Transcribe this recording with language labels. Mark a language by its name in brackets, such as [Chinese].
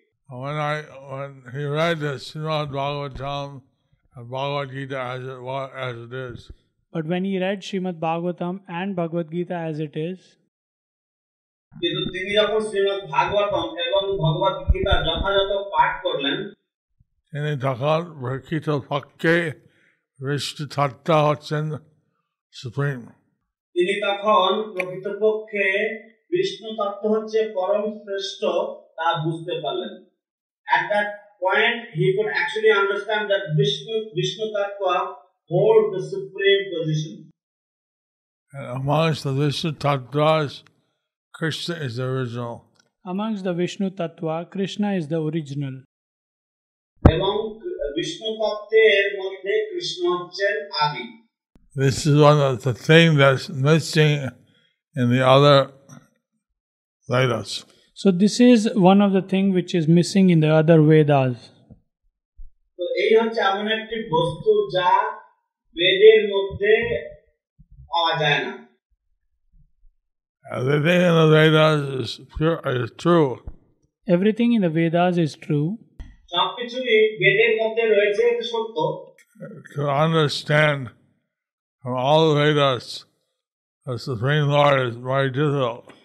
[English] When he read the Srimad-Bhagavatam and Bhagavad Gita as it is. But when he read Srimad-Bhagavatam and Bhagavad Gita as it is, [Bangla] তিনি তখন প্রকৃত পক্ষে বিষ্ণু সত্তা হচ্ছেন supreme. তিনি তখন প্রকৃতপক্ষে বিষ্ণু তত্ত্ব হচ্ছে পরম শ্রেষ্ঠ তা বুঝতে পারলেন। [English] At that point, he could actually understand that Vishnu Tattva hold the supreme position. And amongst the Vishnu Tattvas, Krishna is the original. Amongst the Vishnu Tattva, Krishna is the original. [Bangla] এবং বিষ্ণু তত্ত্বের মধ্যে কৃষ্ণ হচ্ছেন আদি। [English] This is one of the things that's missing in the other Vedas. So this is one of the things which is missing in the other Vedas. [Bangla] So এই হচ্ছে এমন একটি বস্তু যা বেদের মধ্যে পাওয়া যায় না। [English] Everything in the Vedas is pure, is true. Everything in the Vedas is true. [Bangla] সবকিছুই বেদের মধ্যে রয়েছে, সত্য। [English] To understand from all the Vedas, the Supreme Lord is very difficult.